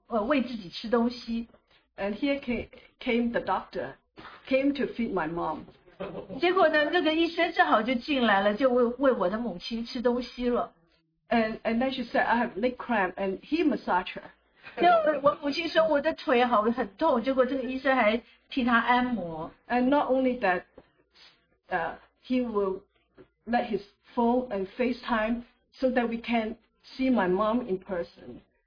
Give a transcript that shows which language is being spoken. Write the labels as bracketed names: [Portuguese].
[Chinese] 喂我吃东西，是因为手上都插了好多管子，没有办法，也没有力气能够来自己给自己喂自己吃东西。 [English] And here came the doctor, came to feed my mom. [Chinese] 结果呢，那个医生正好就进来了，就喂我的母亲吃东西了。 [English] And then she said, I have leg cramp, and he massaged her. [Chinese] 就我母亲说我的腿好很痛，结果这个医生还替她按摩。 [English] And not only that, he will let his phone and FaceTime so that we can see my mom in person.